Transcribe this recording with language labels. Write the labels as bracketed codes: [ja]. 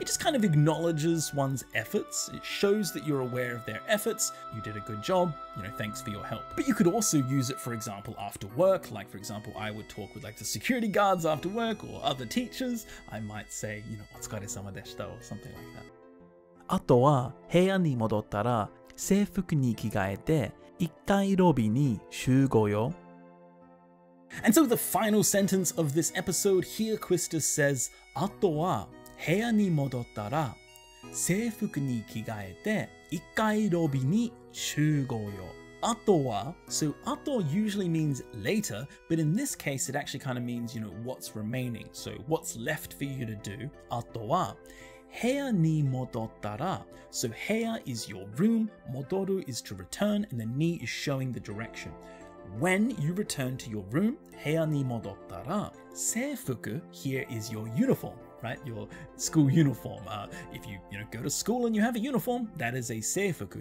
[en] It just kind of acknowledges one's efforts. It shows that you're aware of their efforts. You did a good job, you know, thanks for your help. But you could also use it, for example, after work. Like for example, I would talk with like the security guards after work or other teachers. I might say, you know, otsukaresama deshita or something like that. [ja] あとは部屋に戻ったら制服に着替えて1階ロビーに集合よ。 [en] And so the final sentence of this episode here, Quistus says, [ja] あとは部屋に戻ったら制服に着替えて1階ロビーに集合よ。 [en] あとは、so あと usually means later, but in this case it actually kind of means, you know, what's remaining, so what's left for you to do, [ja] あとは、部屋に戻ったら、 [en] so 部屋 is your room, 戻る is to return, and the ni is showing the direction. When you return to your room, [ja] 部屋に戻ったら、 [en] 制服 here is your uniform, right? Your school uniform. If you, you know, go to school and you have a uniform, that is a 制服.